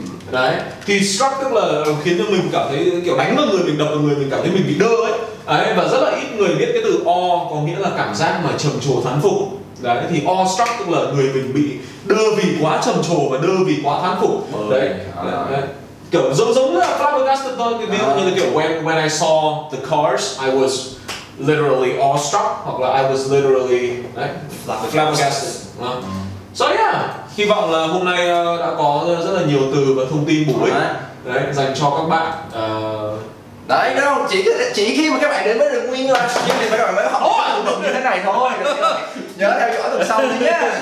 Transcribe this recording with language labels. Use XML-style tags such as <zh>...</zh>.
<vi>Đấy, thì struck tức là khiến cho mình cảm thấy kiểu đánh vào người, mình đập vào người, mình cảm thấy mình bị đơ ấy. Đấy, và rất là ít người biết cái từ awe có nghĩa là cảm giác mà trầm trồ thán phục. Đấy, thì awestruck tức là người mình bị đơ vì quá trầm trồ và đơ vì quá thán phục. Đấy. Kiểu giống như là flabbergasted thôi. Ví dụ như là kiểu</vi> <en>when I saw the cars, I was literally awestruck.</en> <vi>Hoặc là</vi> <en>I was literally flabbergasted.</en> <vi>So yeah, hy vọng là hôm nay đã có rất là nhiều từ và thông tin bổ ích đấy dành cho các bạn. Đấy, đúng không? Chỉ khi mà các bạn đến với được Nguyên thôi, nhưng thì các bạn mới học từ vựng như thế này thôi. Nhớ theo dõi tuần sau đi nhé.</vi>